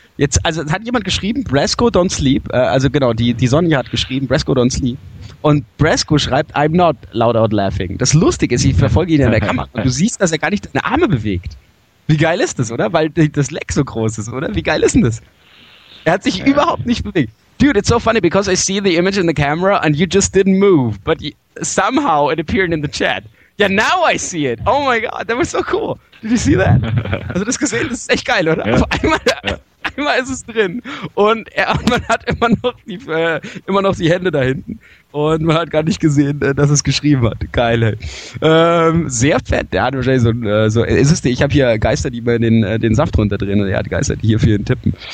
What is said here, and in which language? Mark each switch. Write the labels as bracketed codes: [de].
[de] Jetzt, also hat jemand geschrieben, [en] Bresco don't sleep. [de] Also genau, die Sonja hat geschrieben, Bresco don't sleep. Und Bresco schreibt, [en] I'm not loud out laughing. [de] Das Lustige ist, ich verfolge ihn in der Kamera. Und du siehst, dass er gar nicht deine Arme bewegt. Wie geil ist das, oder? Weil das Leck so groß ist, oder? Wie geil ist denn das? Er hat sich überhaupt nicht bewegt. [en] Dude, it's so funny, because I see the image in the camera and you just didn't move. But somehow it appeared in the chat. Yeah, now I see it. Oh my god, that was so cool. Did you see that? [de] Also das gesehen, das ist echt geil, oder? Ja. Auf einmal... Ja. Immer ist es drin und man hat immer noch die Hände da hinten und man hat gar nicht gesehen, dass es geschrieben hat. Geil, ey. Sehr fett, der hat wahrscheinlich ich habe hier Geister, die mir den Saft runterdrehen und er hat Geister, die hier für ihn tippen.